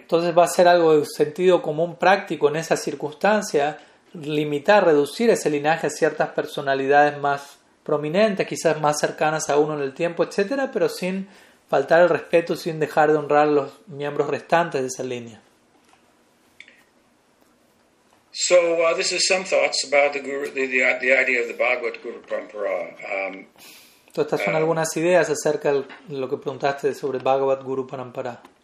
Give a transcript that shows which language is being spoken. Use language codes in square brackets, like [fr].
[es] Entonces va a ser algo de sentido común práctico en esa circunstancia limitar, reducir ese linaje a ciertas personalidades más prominentes, quizás más cercanas a uno en el tiempo, etcétera, pero sin faltar el respeto sin dejar de honrar a los miembros restantes de esa línea. [en] So this is some thoughts about the guru, the idea of the Bhagavad Guru Parampara. [es] Estas son algunas ideas acerca de lo que preguntaste sobre Bhagavad Guru Parampara.